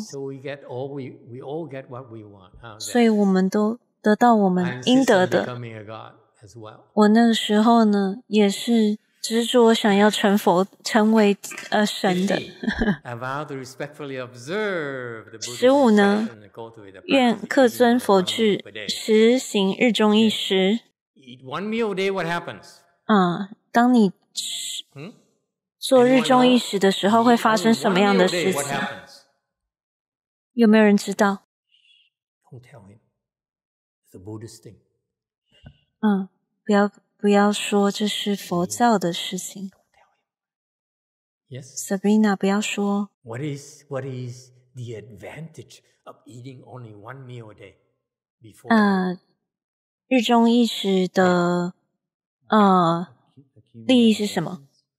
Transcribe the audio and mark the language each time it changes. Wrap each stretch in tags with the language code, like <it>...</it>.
<en>So we get all we all get what we want.</en> <zh>所以我们都得到我们应得的。</zh> <en>Becoming a god as well.</en> <zh>我那个时候呢，也是执着想要成佛，成为神的。</zh> <en>I vow to respectfully observe the Buddha.</en> <zh>十五呢，愿客尊佛具，实行日中一食。</zh> <en>Eat one meal a day. What happens?</en> <zh>当你吃。做日中一食的时候会发生什么样的事情？有没有人知道？</zh> <en>Don't tell him. It's a Buddhist thing.</en> <zh>不要说这是佛教的事情。</zh> <en>Yes.</en> <zh>Sabrina, 不要说。</zh> <en>What is the advantage of eating only one meal a day before?</en> <zh>日中一食的利益是什么？</zh>